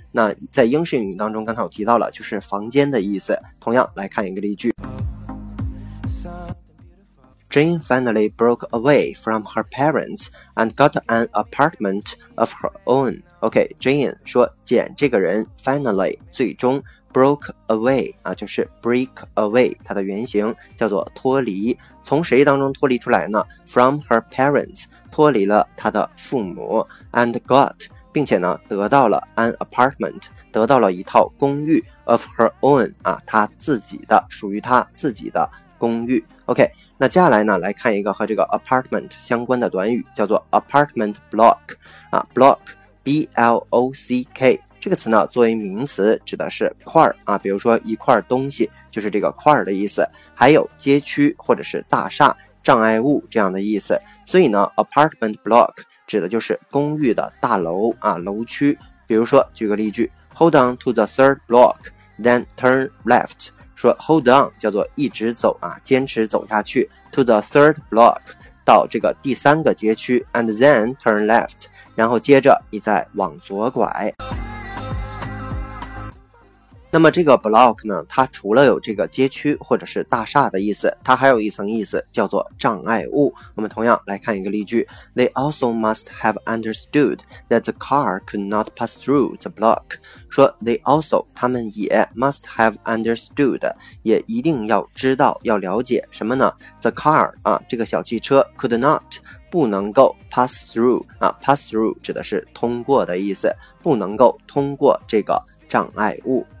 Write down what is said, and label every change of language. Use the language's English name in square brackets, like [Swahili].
[Chinese] 那在英式英语当中刚才我提到了就是房间的意思。同样来看一个例句。 [English] Jane finally broke away from her parents and got an apartment of her own. [Chinese] OK， Jane 说简这个人 finally 最终 [English] broke away [Chinese] 啊，就是 break away， 它的原型叫做脱离，从谁当中脱离出来呢？ [English] From her parents， [Chinese] 脱离了她的父母。 [English] And got， [Chinese] 并且呢得到了 [English] an apartment， [Chinese] 得到了一套公寓 [English] of her own [Chinese] 啊，她自己的，属于她自己的公寓。 OK， 那接下来呢来看一个和这个 apartment 相关的短语，叫做 apartment block 啊， block B-L-O-C-K 这个词呢作为名词指的是块啊，比如说一块东西就是这个块的意思，还有街区或者是大厦、障碍物这样的意思。所以呢 apartment block 指的就是公寓的大楼啊，楼区。比如说举个例句， [English] hold on to the third block then turn left， [Chinese] 说 hold on 叫做一直走啊，坚持走下去， [English] to the third block [Chinese] 到这个第三个街区， [English] and then turn left， [Chinese] 然后接着你再往左拐。那么这个 block 呢，它除了有这个街区或者是大厦的意思，它还有一层意思叫做障碍物。我们同样来看一个例句， [English] They also must have understood that the car could not pass through the block. [Chinese] 说 [English] they also, [Chinese] 他们也 [English] must have understood, [Chinese] 也一定要知道要了解什么呢？ [English] The car, [Chinese] 啊，这个小汽车 [English] could not, [Chinese] 不能够 [English] pass through, [Chinese] 啊 ,pass through 指的是通过的意思，不能够通过这个障碍物。